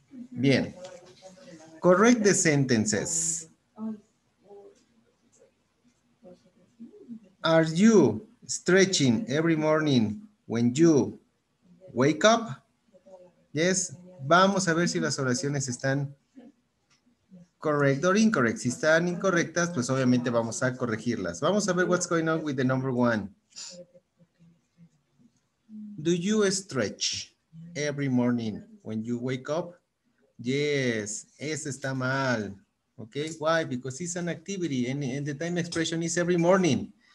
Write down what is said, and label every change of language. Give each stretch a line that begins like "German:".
English: Bien. Correct the sentences. Are you stretching every morning when you wake up? Yes.
Spanish: Vamos a ver si las oraciones están
English: correct or incorrect.
Spanish: Si están incorrectas, pues obviamente vamos a corregirlas. Vamos a ver
English: what's going on with the number one. Do you stretch every morning when you wake up? Yes.
Spanish: Ese está mal.
English: Okay. Why? Because it's an activity and the time expression is every morning.